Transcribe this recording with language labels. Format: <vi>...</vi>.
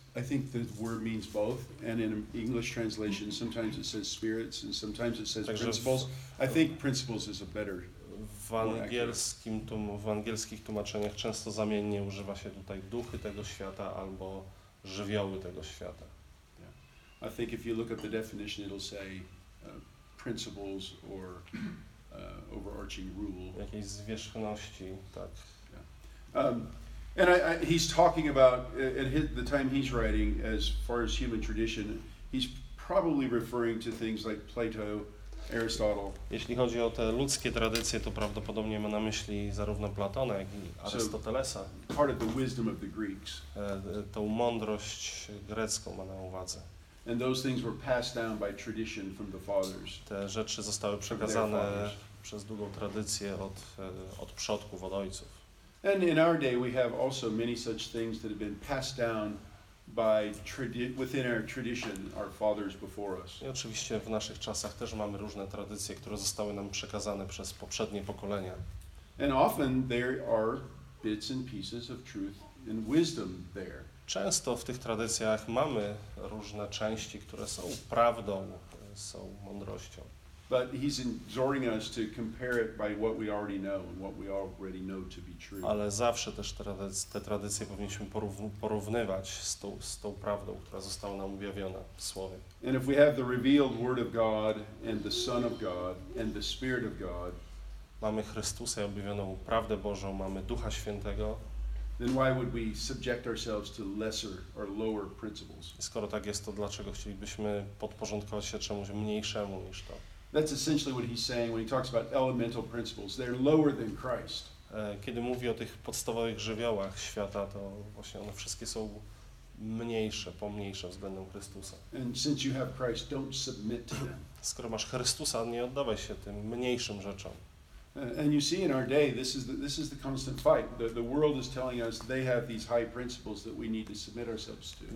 <en>I think the word means both, and in English translation sometimes it says spirits and sometimes it says principles. I think principles is a better.</en> <pl>W angielskich tłumaczeniach często zamiennie używa się tutaj duchy tego świata albo żywioły tego świata.</pl> <en>Yeah. I think if you look up the definition, it'll say principles or overarching rule.</en> <pl>Jakiejś zwierzchności, tak.</pl> <en>Yeah. And he's talking about, at the time he's writing, as far as human tradition, he's probably referring to things like Plato Aristotle.</en> <pl>Jeśli chodzi o te ludzkie tradycje, to prawdopodobnie ma na myśli zarówno Platona, jak i Arystotelesa.</pl> <en>So, part of the wisdom of the Greeks.</en> <pl>Tą mądrość grecką ma na uwadze.</pl> <en>And those things were passed down by tradition from the fathers.</en> <pl>Te rzeczy zostały przekazane przez długą tradycję od przodków, od ojców.</pl> <en>And in our day we have also many such things that have been passed down by within our tradition, our fathers before us.</en> <pl>I oczywiście w naszych czasach też mamy różne tradycje, które zostały nam przekazane przez poprzednie pokolenia.</pl> <en>And often there are bits and pieces of truth and wisdom there.</en> <pl>Często w tych tradycjach mamy różne części, które są prawdą, są mądrością.</pl> <en>But he's exhorting us to compare it by what we already know and what we already know to be true.</en> <pl>Ale zawsze też te tradycje powinniśmy porównywać z tą prawdą, która została nam objawiona w słowie.</pl> <en>And if we have the revealed word of God and the Son of God and the Spirit of God,</en> <pl>mamy Chrystusa i objawioną prawdę Bożą, mamy Ducha Świętego,</pl> <en>then why would we subject ourselves to lesser or lower principles?</en> <pl>Skoro tak jest, to dlaczego chcielibyśmy podporządkować się czemuś mniejszemu niż to?</pl> <en>That's essentially what he's saying when he talks about elemental principles. They're lower than Christ.</en> <pl>Kiedy mówi o tych podstawowych żywiołach świata, to właśnie one wszystkie są mniejsze, pomniejsze względem Chrystusa.</pl> <en>And since you have Christ, don't submit to them.</en> <pl>Skoro masz Chrystusa, nie oddawaj się tym mniejszym rzeczom.</pl> <en>And you see in our day, this is the constant fight. The world is telling us they have these high principles that we need to submit ourselves to.</en>